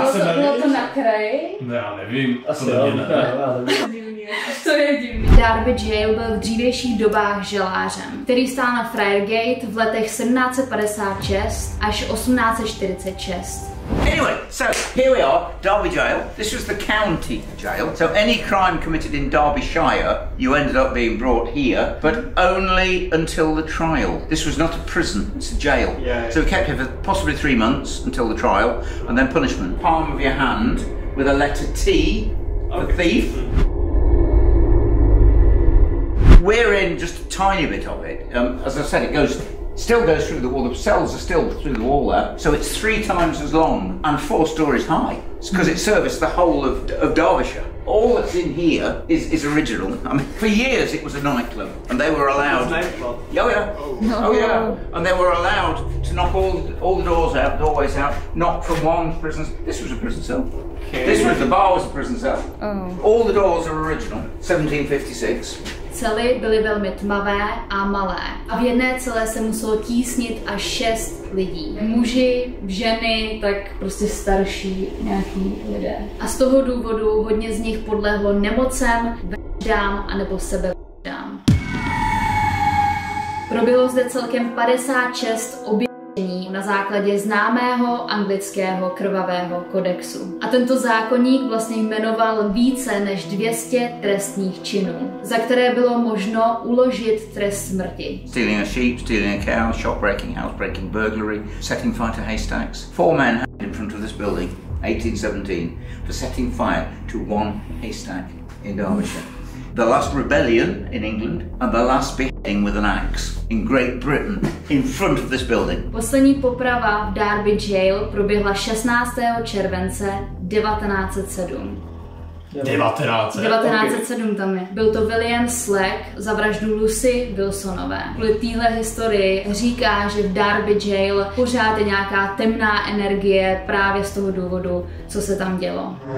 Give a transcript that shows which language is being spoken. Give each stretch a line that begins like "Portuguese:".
Czech: bylo jsem to, nevím. Bylo to na kraji? Ne, já nevím. Asi to jo, ne. To je divný. Darby Jail byl v dřívějších dobách želářem, který stál na Friargate v letech 1756 až 1846.
English: Anyway, so here we are, Derby Jail. This was the county jail. So any crime committed in Derbyshire, you ended up being brought here, but only until the trial. This was not a prison, it's a jail. Yeah, so we kept here for possibly 3 months until the trial, and then punishment. Palm of your hand with a letter T, the thief. We're in just a tiny bit of it. As I said, it goes, still goes through the wall. The cells are still through the wall there. So it's three times as long and four stories high. It's because it serviced the whole of Derbyshire. All that's in here is original. I mean, for years it was a nightclub and they were allowed. Nightclub? Oh yeah. No. Oh yeah. And they were allowed to knock all the doors out, the doorways out, knock from one prison. This was a prison cell. Okay. This was, the bar was a prison cell. Oh. All the doors are original, 1756.
Czech: Cely byly velmi tmavé a malé. A v jedné celé se muselo tísnit až 6 lidí. Muži, ženy, tak prostě starší nějaký lidé. A z toho důvodu hodně z nich podlehlo nemocem, vraždám anebo sebevraždám. Proběhlo zde celkem 56 obětí na základě známého anglického krvavého kodexu. A tento zákoník vlastně jmenoval více než 200 trestných činů, za které bylo možno uložit trest smrti.
English: Stealing a sheep, stealing a cow, shop breaking, house breaking, burglary, setting fire to haystacks. Four men hanged in front of this building, 1817, for setting fire to one haystack in Derbyshire. The last rebellion in England and the last beheading with an axe in Great Britain in front of this building.
Czech: Poslední poprava v Derby Jail proběhla 16. července 1907. 1907 tam je. Byl to William Slack za vraždu Lucy Wilsonové. Kvůli téhle historii říká, že v Derby Jail pořád je nějaká temná energie právě z toho důvodu, co se tam dělo.